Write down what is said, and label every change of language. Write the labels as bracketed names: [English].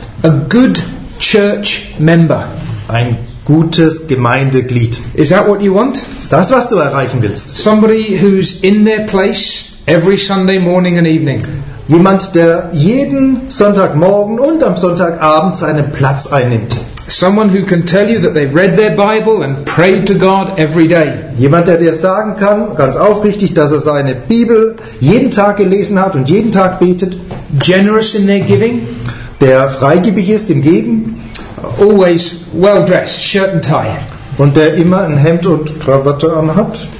[English] A good church member. [German] Ein gutes Gemeindeglied. [English] Is that what you want? [German] Ist das, was du erreichen willst? [English] Somebody who's in their place. Every Sunday morning and evening. [German] Jemand, der jeden Sonntagmorgen und am Sonntagabend seinen Platz einnimmt. [English] Someone who can tell you that they've read their Bible and prayed to God every day. [German] Jemand, der dir sagen kann, ganz aufrichtig, dass er seine Bibel jeden Tag gelesen hat und jeden Tag betet. [English] Generous in their giving. [German] Der freigebig ist im Geben. [English] Always well dressed, shirt and tie. [German] Und der immer ein Hemd und Krawatte anhat.